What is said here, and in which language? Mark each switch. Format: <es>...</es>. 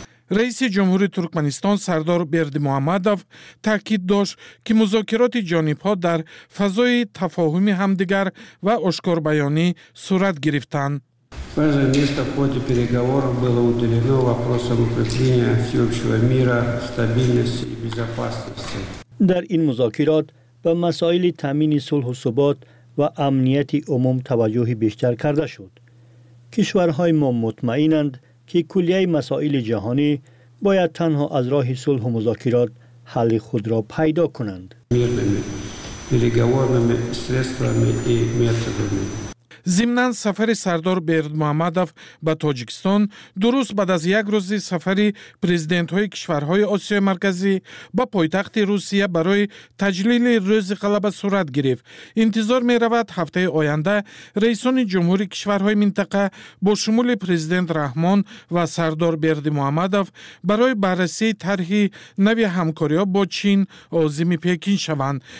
<fa>رئیس جمهوری ترکمنستان سردار بردی محمدوف تاکید داشت که مذاکرات جانب ها در فضای تفاهم همدیگر و آشکار بیانی صورت گرفتند.</fa> <ru>Также место в ходе переговоров было уделено вопросам укрепления всеобщего мира, стабильности и безопасности.</ru> <fa>در این مذاکرات به مسائل تامین صلح و ثبات و امنیت عموم توجه بیشتر کرده شد. کشورهای ما مطمئنند که کلیه مسائل جهانی باید تنها از راه صلح و مذاکرات حل خود را پیدا کنند.</fa> <ru>переговорными средствами и методами.</ru> <fa>زمنان سفر سردار برد محمدوف به تاجیکستان درست بعد از یک روز سفر پرزیدنت های کشورهای آسیای مرکزی به پایتخت روسیه برای تجلیل روز غلبه صورت گرفت. انتظار می رود هفته آینده رئیسان جمهوری کشورهای منطقه با شمول پرزیدنت رحمان و سردار برد محمدوف برای بررسی طرح نوی همکاری ها با چین عازم پکین شوند.</fa>